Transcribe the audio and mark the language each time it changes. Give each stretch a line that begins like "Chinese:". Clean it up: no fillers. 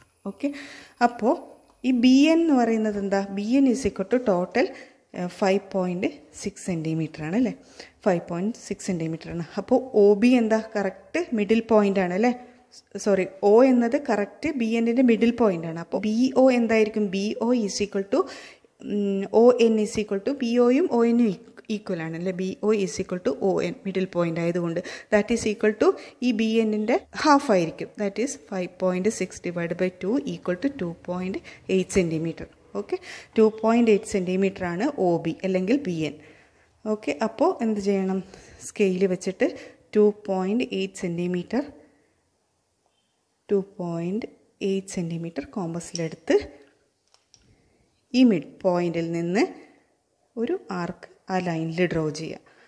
Malayalam: Okay, അപ്പോൾ ഈ
English: B N എന്ന് പറയുന്നത് എന്താ, B N is equal to total 5.6 centimetre
Malayalam: ആണ് അല്ലേ, 5.6 സെൻറ്റിമീറ്റർ ആണ്. അപ്പോൾ ഒ ബി എന്താ, കറക്റ്റ് മിഡിൽ പോയിൻ്റ് ആണ് അല്ലേ, സോറി, ഒ എന്നത് കറക്റ്റ് ബി എൻ്റെ മിഡിൽ പോയിൻ്റ് ആണ്. അപ്പോൾ ബി ഒ എന്തായിരിക്കും,
English: B O is equal to ON is equal to BO
Malayalam: യും ON യും ഈക്വൽ ആണ് അല്ലേ.
English: B O is equal to O N
Malayalam: middle point ആയതുകൊണ്ട്
English: that is equal to
Malayalam: ഈ ബി എന്നിൻ്റെ ഹാഫ് ആയിരിക്കും.
English: That is 5.6 divide by 2 equal to 2.8 centimetre.
Malayalam: Okay, 2.8 centimetre ആണ് O B അല്ലെങ്കിൽ ബി എൻ. ഓക്കെ, അപ്പോൾ എന്ത് ചെയ്യണം, സ്കെയിൽ വെച്ചിട്ട് 2.8 സെൻറ്റിമീറ്റർ 2.8 സെൻറ്റിമീറ്റർ കോമ്പസിലെടുത്ത് ഈ മിഡ് പോയിൻറ്റിൽ നിന്ന് ഒരു ആർക്ക് ആ ലൈനിൽ ഡ്രോ ചെയ്യുക.